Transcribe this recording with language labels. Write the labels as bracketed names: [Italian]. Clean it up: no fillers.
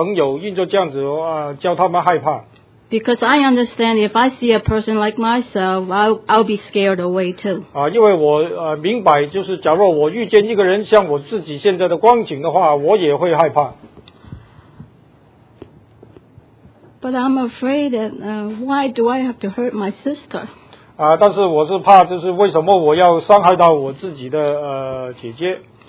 [Chinese] 我不害怕说我会失去了一些朋友，因着这样子叫他们害怕。 [English] Because I understand if I see a person like myself, I'll be scared away too. [Chinese] 因为我明白，就是假若我遇见一个人像我自己现在的光景的话，我也会害怕。 [English] But I'm afraid that why do I have to hurt my sister? [Chinese] 但是我是怕，就是为什么我要伤害到我自己的姐姐？